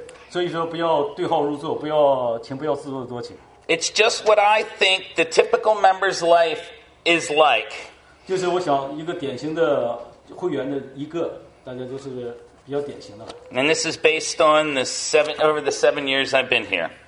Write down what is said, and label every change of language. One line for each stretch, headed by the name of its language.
Chinese: 所以说不要对号入座，不要请，不要自作多情。
English: It's just what I think the typical member's life is like.
Chinese: 就是我想一个典型的会员的一个，大家都是比较典型的。
English: And this is based on the seven years I've been here.